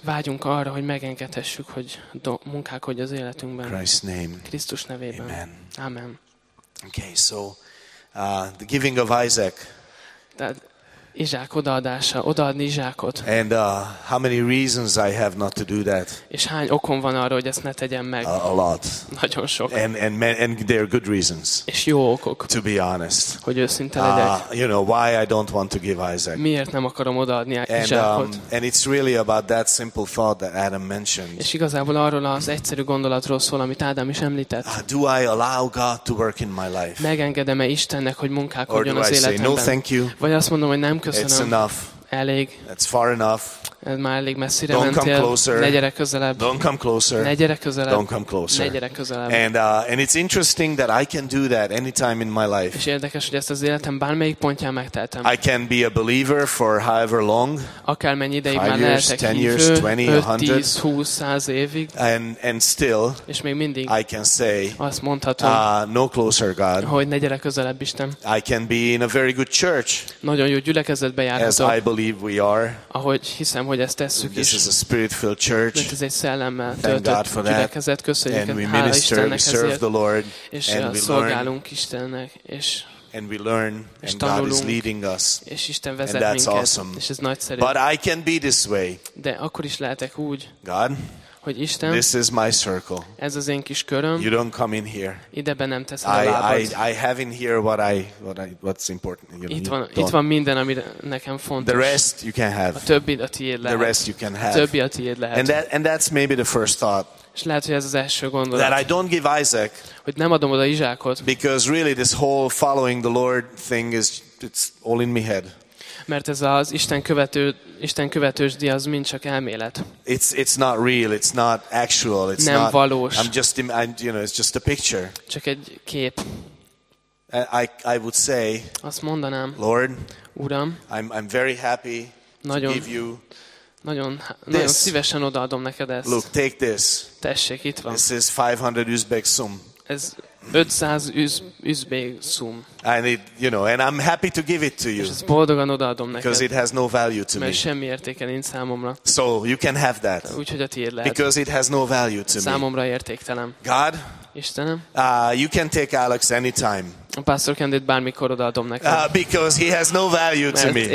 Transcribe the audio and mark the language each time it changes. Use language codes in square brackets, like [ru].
[hu] Vágyunk arra, hogy megengedhessük, hogy munkálkodj az életünkben. [en] Christ's name. [hu] Krisztus nevében. [en] Amen. [hu] Amen. [en] Okay, so the giving of Isaac. [hu] Izsák odaadása, odaadni Izsákot. [en] And how many reasons I have not to do that? [hu] És hány okom van arra, hogy ezt ne tegyem meg? [en] A lot. [hu] Nagyon sok. [en] And they are good reasons. [hu] És jó okok. [en] To be honest. [hu] Hogy őszinte legyek. [en] You know why I don't want to give Isaac? [hu] Miért nem akarom odaadni Izsákot? [en] And it's really about that simple thought that Adam mentioned. [hu] És igazából arról az egyszerű gondolatról szól, amit Ádám is említett. [en] Do I allow God to work in my life? [hu] Megengedem-e Istennek, hogy munkálkodjon az életemben? [en] Or do I say no, thank you? [hu] Vagy azt mondom, hogy nem. [en] It's enough. [hu] Elég. [en] It's far enough. [hu] Ez már elég messzire mentél. [en] come closer. [hu] Ne gyere közelebb. [en] Don't come closer. [hu] Ne gyere közelebb. [en] Don't come closer. [hu] Ne gyere közelebb. [en] And it's interesting that I can do that anytime in my life. [hu] És érdekes, hogy ezt az életem bármelyik pontján megtehetem. [en] I can be a believer for however long. [hu] Akármennyi ideig már lehetek hívő. [en] 10 years, 20, 100. [hu] 10-20-100 évig. [en] And still. [hu] És még mindig. [en] I can say. [hu] Azt mondhatom. [en] No closer, God. [hu] Hogy ne gyere közelebb, Isten. [en] I can be in a very good church. [hu] Nagyon jó gyülekezetbe járhatok. [en] As I believe we are. [hu] Ahogy hiszem, hogy ezt tesszük is. [en] This is a spirit-filled church. [hu] Mert ez egy szellemmel töltött gyülekezet. Köszönjük, [en] and we minister, we serve the Lord, and we [hu] szolgálunk Istennek, és [en] and we learn, [hu] és [en] and God is leading us, [hu] és Isten vezet [en] and that's [hu] minket, [en] awesome. [hu] És ez nagyszerű. [en] But I can be this way. [hu] De akkor is lehetek úgy, [en] God, [hu] hogy Isten, [en] this is my circle. [hu] Ez az én kis köröm. [en] You don't come in here. [hu] Idebe nem tesz a lábad. [en] I have in here what's important. You know, [hu] itt van minden, ami nekem fontos. [en] The rest you can have. [hu] A többi a tiéd lehet. [en] The rest you can have. [hu] A többi a tiéd lehet. [en] And that's maybe the first thought. [hu] És lehet, hogy ez az első gondolat. [en] That I don't give Isaac. [hu] Hogy nem adom oda Izsákot. [en] Because really this whole following the Lord thing is it's all in my head. [hu] Mert ez az Isten követősdi az mind csak elmélet. [en] It's not real, it's not actual, it's [hu] nem [en] not [hu] valós. [en] I'm just, you know, it's just a picture. [hu] Csak egy kép. [en] I would say, [hu] azt mondanám, [en] Lord, [hu] Uram, [en] I'm very happy [hu] nagyon, [en] to give you [hu] nagyon, [en] this. [hu] Nagyon szívesen odaadom neked ezt. [en] Look, take this. [hu] Tessék, itt van. [en] This is 500 Uzbek sum. [hu] Ez 500 Uzbek sum. [en] I need, you know, and I'm happy to give it to you. [hu] És boldogan odaadom neked. [en] Because it has no value to [hu] mert [en] me. [hu] Semmi értéke nincs számomra. [en] So you can have that. [hu] Úgyhogy a tiéd lehet. [en] Because it has no value to [hu] számomra Számomra értéktelen. [en] God. [hu] Istenem. [en] You can take Alex anytime. [hu] A Pastor Candy-t bármikor odaadom neked. [en] Because he has no value to me.